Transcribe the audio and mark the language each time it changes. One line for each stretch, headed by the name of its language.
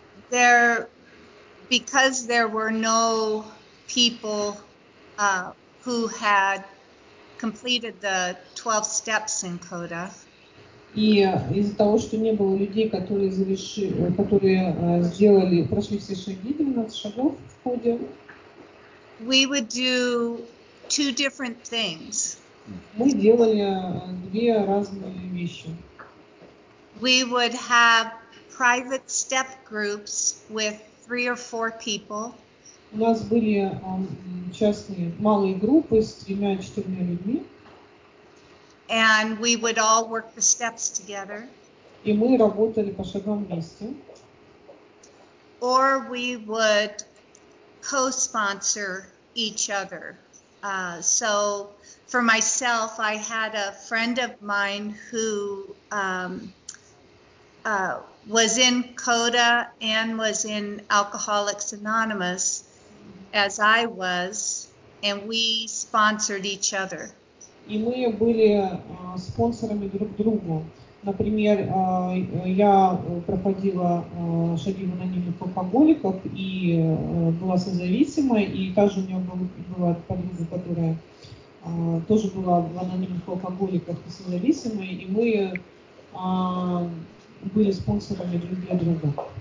English: There, because there were no people who had completed the 12 steps in CODA.
Russian: И из-за того, что не было людей, которые завершили, которые сделали, прошли все шаги, 12 шагов в ходе.
English: We would do two different things.
Russian: Мы делали две разные вещи.
English: We would have private step groups with three or four people.
Russian: У нас были частные малые группы с тремя-четырьмя людьми.
English: And we would all work the steps together.
Russian: И мы работали по шагам вместе.
English: Or we would co-sponsor each other. So for myself, I had a friend of mine who was in CODA and was in Alcoholics Anonymous, as I was, and we sponsored each other.
Russian: И мы были спонсорами друг другу. Например, я проходила шаги в анонимных алкоголиках и была созависимой, и также у меня была подруга, которая тоже была в анонимных алкоголиках и созависимой, и мы были спонсорами друг для друга.